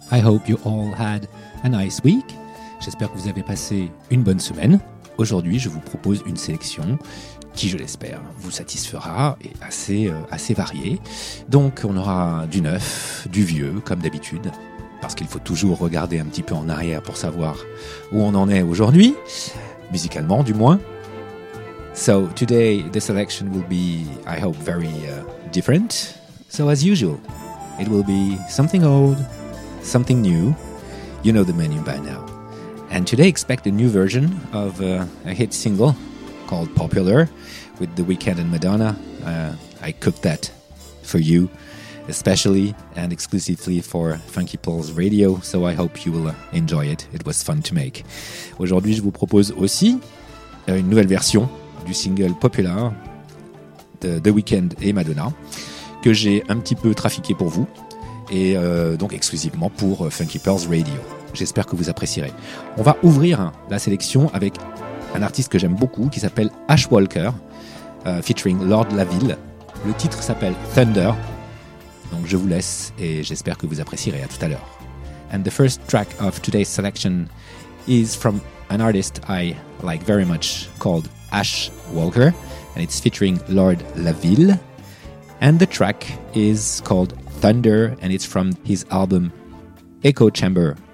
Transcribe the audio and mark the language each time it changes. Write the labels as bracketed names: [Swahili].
[English] I hope you all had a nice week. [French] J'espère que vous avez passé une bonne semaine. Aujourd'hui, je vous propose une sélection qui, je l'espère, vous satisfera et assez variée. Donc, on aura du neuf, du vieux, comme d'habitude, parce qu'il faut toujours regarder un petit peu en arrière pour savoir où on en est aujourd'hui, musicalement du moins. [English] So today the selection will be, I hope, very different. So as usual, it will be something old, something new. You know the menu by now. And today expect a new version of a hit single called Popular with The Weeknd and Madonna. I cooked that for you, especially and exclusively for Funky Pulse Radio. So I hope you will enjoy it. It was fun to make. [French] Aujourd'hui, je vous propose aussi une nouvelle version du single Popular de The Weeknd et Madonna que j'ai un petit peu trafiqué pour vous et donc exclusivement pour Funky Pearls Radio. J'espère que vous apprécierez. On va ouvrir la sélection avec un artiste que j'aime beaucoup qui s'appelle Ash Walker featuring Lord Laville. Le titre s'appelle Thunder. Donc je vous laisse et j'espère que vous apprécierez. À tout à l'heure. [English] And the first track of today's selection is from an artist I like very much called Ash Walker, and it's featuring Lord Laville, and the track is called Thunder, and it's from his album Echo Chamber.